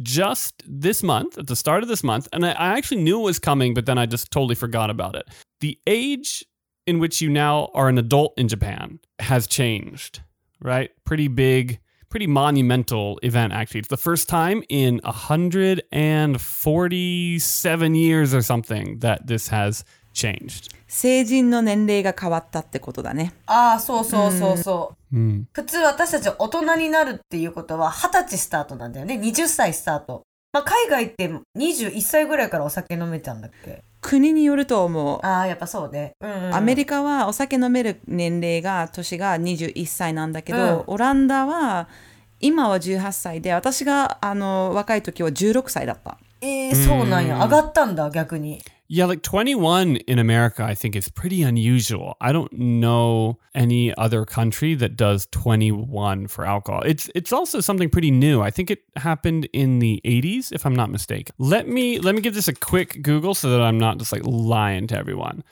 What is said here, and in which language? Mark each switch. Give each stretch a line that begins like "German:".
English: Just this month, at the start of this month, and I actually knew it was coming, but then I just totally forgot about it. The age in which you now are an adult in Japan has changed, right? Pretty big. Pretty monumental event, actually. It's the first time in 147 years or something that this has changed.
Japanese: 成人の年齢が変わったってことだね。ああ、そうそうそうそう。普通私たち大人になるっていうことは20歳スタートなんだよね。 20歳スタート。まあ、海外って21歳ぐらいからお酒飲めたんだっけ？国によると思う。ああ、やっぱそうね、うんうん。アメリカはお酒飲める年齢が、年が21歳なんだけど、うん、オランダは今は18歳で、私が若い時は16歳だった。そうなんや。上がったんだ、逆に。
English: Yeah, like 21 in America, I think is pretty unusual. I don't know any other country that does 21 for alcohol. It's also something pretty new. I think it happened in the 80s, if I'm not mistaken. Let me give this a quick Google so that I'm not just like lying to everyone.